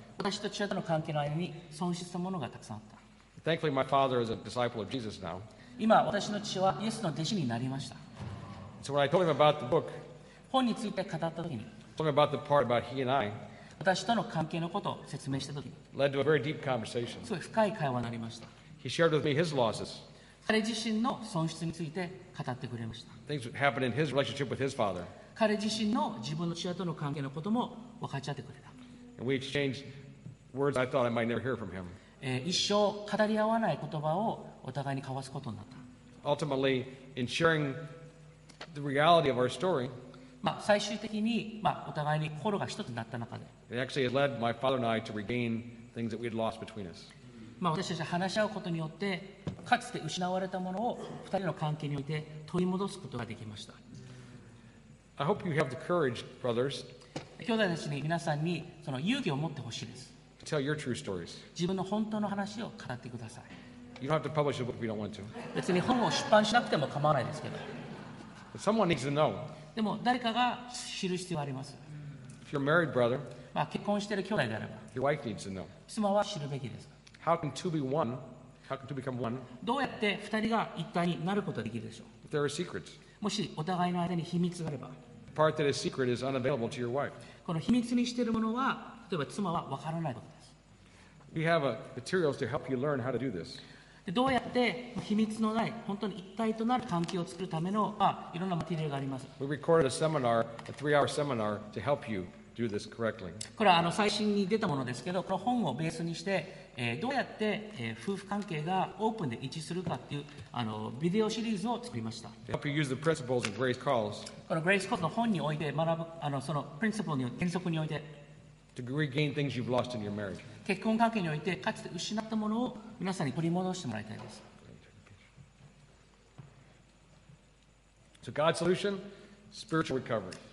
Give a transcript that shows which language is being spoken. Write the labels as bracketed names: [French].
[Japanese] 私と父親との関係の間に損失したものがたくさんあった。 [English] Thankfully, my father is a disciple of Jesus now. [Japanese] 今私の父はイエスの弟子になりました。 [English] So when I told him about the book, [Japanese] 本について語った時に、 [English] told him about the part about he and I, [Japanese] 私との関係のことを説明した時に、 [English] led to a very deep conversation. [Japanese] すごい深い会話になりました。 [English] He shared with me his losses. [Japanese] 彼自身の損失について語ってくれました。 [English] Things happened in his relationship with his father. [Japanese] 彼自身の自分の父親との関係のことも分かち合ってくれた。 [English] And we exchanged words I thought I might never hear from him. [Japanese] 一生語り合わない言葉をお互いに交わすことになった。 [English] Ultimately, in sharing the reality of our story, [Japanese] まあ最終的に、まあ、お互いに心が一つになった中で、 [English] It actually has led my father and I to regain things that we had lost between us. [Japanese] まあ私たち話し合うことによって、かつて失われたものを二人の関係において取り戻すことができました。 [English] I hope you have the courage, brothers, [Japanese] 兄弟たちに皆さんにその勇気を持ってほしいです。 [English] To tell your true stories. [Japanese] 自分の本当の話を語ってください。 [English] You don't have to publish a book if you don't want to. [Japanese] 別に本を出版しなくても構わないですけど。 [English] But someone needs to know. [Japanese] でも誰かが知る必要があります。 [English] If you're a married brother, [Japanese] まあ結婚している兄弟であれば、 [English] your wife needs to know. [Japanese] 妻は知るべきです。 [English] How can two be one? How can two become one? [Japanese] どうやって二人が一体になることができるでしょう。 [English] If there are secrets, [Japanese] もしお互いの間に秘密があれば、 [English] the part that is secret is unavailable to your wife. [Japanese] この秘密にしているものは、例えば妻は分からないことです。 [English] We have a materials to help you learn how to do this. [Japanese] でどうやって秘密のない本当に一体となる関係を作るための、まあ、いろんなマテリアルがあります。 [English] We recorded a seminar, a three-hour seminar to help you. Do this correctly. [Japanese] これはあの最新に出たものですけど、この本をベースにして、どうやって、夫婦関係がオープンで一致するかっていうあのビデオシリーズを作りました。 [English] Help you use the principles of Grace Calls. [Japanese] このグレイスコールの本において学ぶあのそのプリンシプルに原則において、 [English] to regain things you've lost in your marriage. [Japanese] 結婚関係においてかつて失ったものを皆さんに取り戻してもらいたいです。 [English] So God's solution, spiritual recovery.